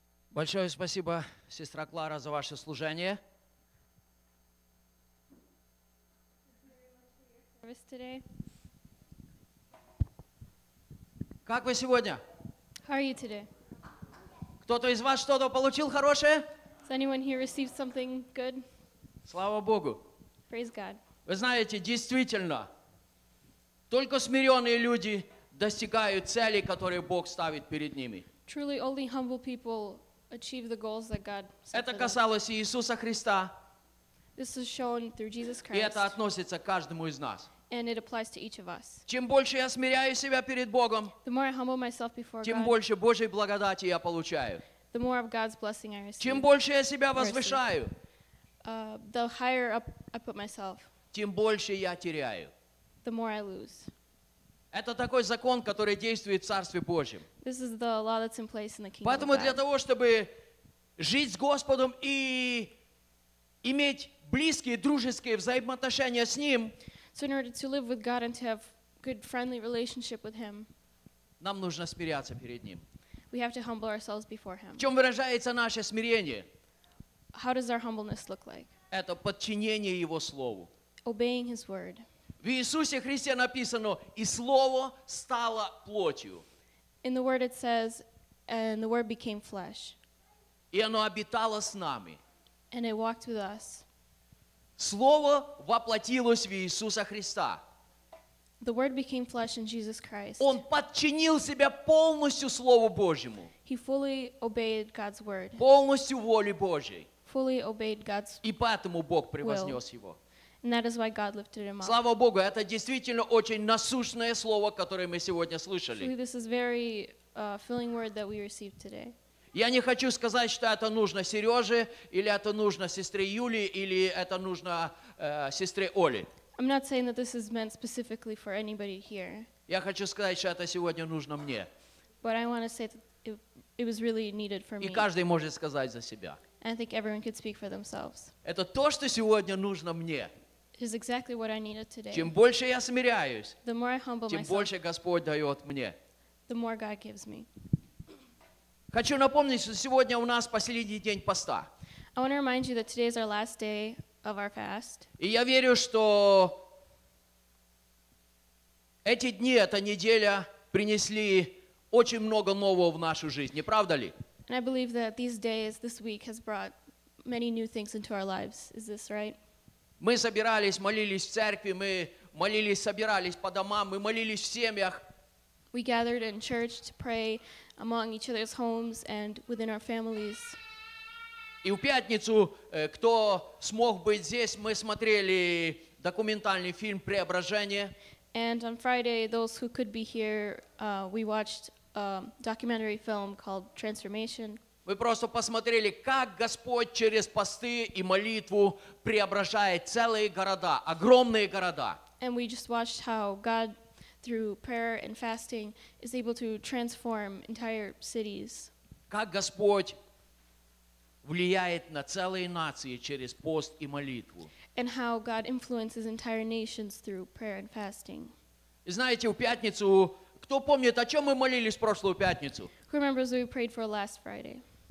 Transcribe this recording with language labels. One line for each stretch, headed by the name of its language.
Russian: Большое спасибо, сестра Клара, за ваше служение. Как вы сегодня?
English: How are you today?
Russian: Кто-то из вас что-то получил хорошее?
English: Has anyone here received something good?
Russian: Слава Богу.
English: Praise God.
Russian: Вы знаете, действительно, только смиренные люди достигают целей, которые Бог ставит перед ними.
English: Truly, only humble people achieve the goals that God set.
Russian: Это касалось Иисуса Христа.
English: This is shown through Jesus Christ.
Russian: И это относится к каждому из нас.
English: And it applies to each of us.
Russian: Чем больше я смиряю себя перед Богом,
English: the more I humble myself before
Russian: тем
English: God,
Russian: больше Божьей благодати я получаю.
English: The more of God's blessing I receive.
Russian: Чем больше я себя возвышаю,
English: the higher up I put myself,
Russian: тем больше я теряю.
English: The more I lose.
Russian: Это такой закон, который действует в Царстве Божьем.
English: This is the law that's in place in the kingdom.
Russian: Поэтому для
English: of God.
Russian: Того, чтобы жить с Господом и иметь близкие, дружеские взаимоотношения с Ним,
English: so in order to live with God and to have good friendly relationship with Him,
Russian: нам нужно смиряться перед Ним.
English: We have to humble ourselves before Him.
Russian: В чем выражается наше смирение?
English: How does our humbleness look like?
Russian: Это подчинение Его Слову.
English: Obeying His word.
Russian: В Иисусе Христе написано, и Слово стало плотью.
English: In the word it says, and the word became flesh.
Russian: И оно обитало с нами.
English: And it walked with us.
Russian: Слово воплотилось в Иисуса Христа.
English: The word became flesh in Jesus Christ.
Russian: Он подчинил себя полностью Слову Божьему.
English: He fully obeyed God's word.
Russian: Полностью воле Божьей.
English: Fully obeyed God's will.
Russian: И поэтому Бог превознес его.
English: And that is why God lifted him up.
Russian: Слава Богу, это действительно очень насущное слово, которое мы сегодня слышали.
English: Truly, this is very filling word that we received today.
Russian: Я не хочу сказать, что это нужно Сереже, или это нужно сестре Юлии, или это нужно сестре Оле.
English: I'm not saying that this is meant specifically for anybody here.
Russian: Я хочу сказать, что это сегодня нужно мне.
English: But I want to say that it was really needed for me.
Russian: И каждый может сказать за себя.
English: And I think everyone could speak for themselves.
Russian: Это то, что сегодня нужно мне.
English: It is exactly what I needed today.
Russian: Чем больше я смиряюсь,
English: the more I humble
Russian: тем
English: myself,
Russian: больше Господь дает мне.
English: The more God gives me.
Russian: Хочу напомнить, что сегодня у нас последний день поста.
English: I want to remind you that today is our last day of our fast.
Russian: И я верю, что эти дни, эта неделя принесли очень много нового в нашу жизнь, не правда ли?
English: And I believe that these days, this week has brought many new things into our lives. Is this right?
Russian: Мы собирались, молились в церкви, мы молились, собирались по домам, мы молились в семьях.
English: We gathered in church to pray among each other's homes and within our families.
Russian: И в пятницу, кто смог быть здесь, мы смотрели документальный фильм «Преображение».
English: And on Friday, those who could be here, we watched a documentary film called «Transformation».
Russian: Мы просто посмотрели, как Господь через посты и молитву преображает целые города, огромные города.
English: And we just watched how God through prayer and fasting is able to transform entire cities.
Russian: Как Господь влияет на целые нации через пост и молитву.
English: And how God influences entire nations through prayer and fasting.
Russian: И знаете, в пятницу, кто помнит, о чем мы молились в прошлую пятницу?
English: Who remembers what we prayed for last Friday?